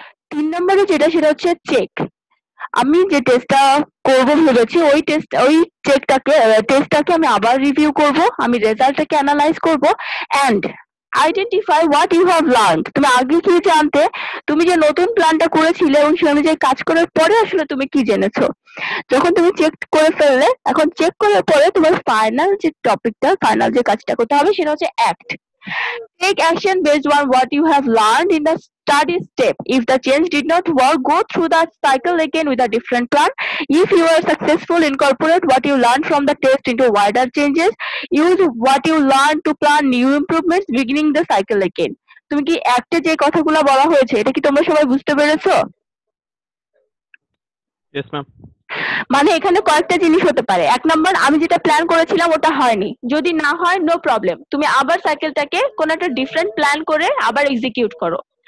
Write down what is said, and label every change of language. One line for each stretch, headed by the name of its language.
Bangla: তিন নম্বরে যেটা সেটা হচ্ছে চেক, আমি যে টেস্টটা করবো ভেবেছি ওই টেস্ট ওই চেকটাকে টেস্টটাকে আমি আবার রিভিউ করবো, আমি রেজাল্টটাকে অ্যানালাইজ করবো,
English: And identify what you have learned.
Bangla: তুমি আগে কি জানতে, তুমি যে নতুন প্ল্যানটা করেছিলে এবং সে অনুযায়ী কাজ করার পরে আসলে তুমি কি জেনেছো। যখন তুমি চেক করে ফেললে, এখন চেক করার পরে তোমার ফাইনাল যে টপিকটা, ফাইনাল যে কাজটা করতে হবে সেটা হচ্ছে act.
English: Take action based on what you have learned in the study step. If the change did not work, go through that cycle again with a different plan. If you are successful, incorporate what you learned from the test into wider changes. Use what you learned to plan new improvements, beginning the cycle again.
Bangla: তুমি কি একটা যে কথাগুলো বলা হয়েছে এটা কি তোমরা সবাই বুঝতে পেরেছো?
English: Yes, ma'am.
Bangla: মানে এখানে কয়েকটা জিনিস হতে পারে। এক নম্বর, আমি যেটা প্ল্যান করেছিলাম ওটা হয়নি, যদি না হয় নো প্রবলেম, তুমি আবার সাইকেলটাকে কোন একটা ডিফারেন্ট প্ল্যান করে আবার এক্সিকিউট করো।